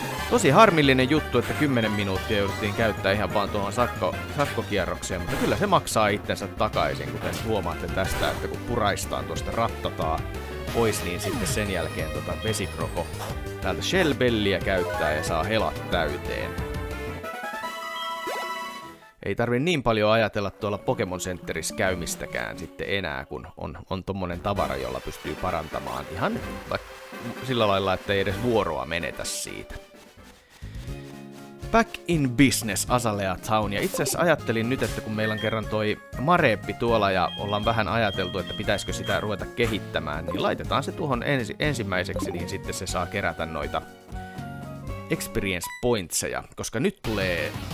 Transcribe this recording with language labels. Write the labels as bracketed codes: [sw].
[fi] Tosi harmillinen juttu, että 10 minuuttia jouduttiin käyttää ihan vaan tuohon sakkokierrokseen, mutta kyllä se maksaa itsensä takaisin, kuten huomaatte tästä, että kun puraistaan tuosta rattataa pois, niin sitten sen jälkeen tota vesikroko täältä Shell Belliä käyttää ja saa helat täyteen. Ei tarvitse niin paljon ajatella tuolla Pokemon Centerissä käymistäkään sitten enää, kun on tommonen tavara, jolla pystyy parantamaan ihan sillä lailla, että ei edes vuoroa menetä siitä. [en] Back in business, Azalea Town. [fi] Ja itse asiassa ajattelin nyt, että kun meillä on kerran toi mareppi tuolla ja ollaan vähän ajateltu, että pitäisikö sitä ruveta kehittämään, niin laitetaan se tuohon ensimmäiseksi, niin sitten se saa kerätä noita experience pointseja, koska nyt tulee...